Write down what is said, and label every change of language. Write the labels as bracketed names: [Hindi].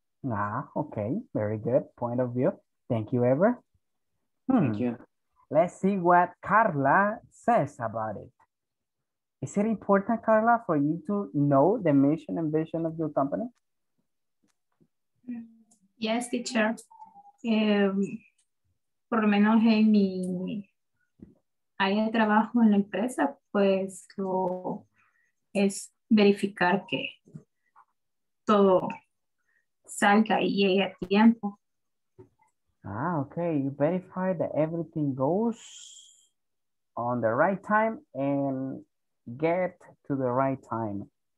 [English] Ah, okay, very good point of view. Thank you, Ever. Thank you. Let's see what Carla says about it. Is it important, Carla, for you to know the mission and vision of your company? Yes, teacher. [Spanish] Por lo menos en mi área de trabajo en la empresa, pues lo es verificar que todo salga y llegue a tiempo. [English] Ah, okay. You verify that everything goes on the right time and get to the right time.